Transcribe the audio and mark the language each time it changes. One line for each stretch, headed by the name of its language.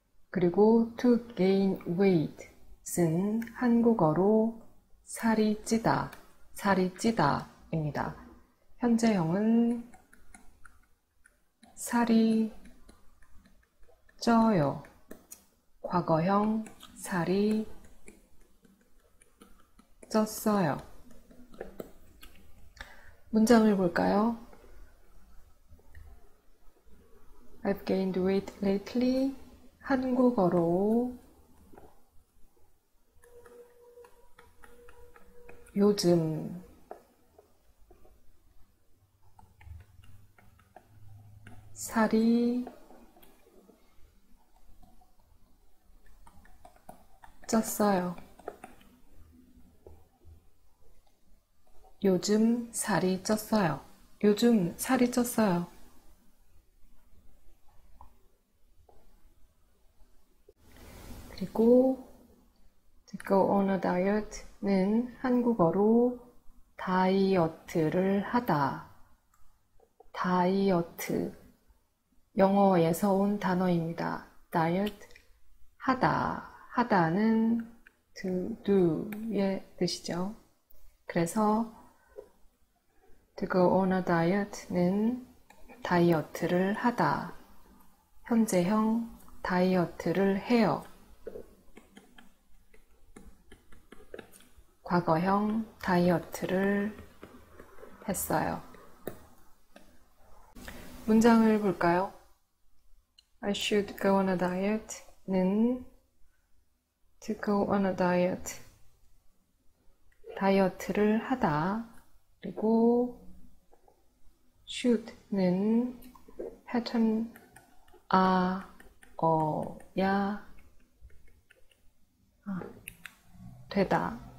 Korean: 그리고
English: to gain weight
Korean: 쓴 한국어로 살이 찌다, 살이 찌다입니다. 현재형은 살이 쪄요. 과거형 살이 쪘어요. 문장을 볼까요?
English: I've gained weight lately.
Korean: 한국어로 요즘 살이 쪘어요. 요즘 살이 쪘어요. 요즘 살이 쪘어요. 그리고
English: to go on a diet
Korean: 는 한국어로 다이어트를 하다. 다이어트. 영어에서 온 단어입니다. diet, 하다. 하다는
English: to do
Korean: 의 뜻이죠. 그래서
English: to go on a diet
Korean: 는 다이어트를 하다. 현재형 다이어트를 해요. 과거형 다이어트를 했어요. 문장을 볼까요?
English: I should go on a diet는 to go on a diet.
Korean: 다이어트를 하다. 그리고 should는 pattern, 아, 어, 야, 아, 되다.